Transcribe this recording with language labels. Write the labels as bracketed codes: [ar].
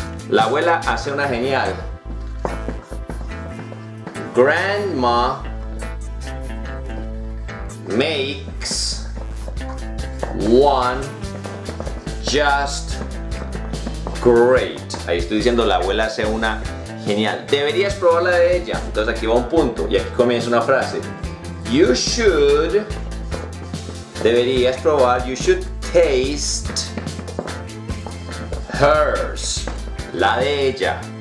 [es] La abuela hace una genial. [en] Grandma makes one just great. [es] Ahí estoy diciendo, la abuela hace una genial. Deberías probar la de ella. Entonces aquí va un punto y aquí comienza una frase. [en] You should, [es] deberías probar, [en] you should taste hers, [es] la de ella.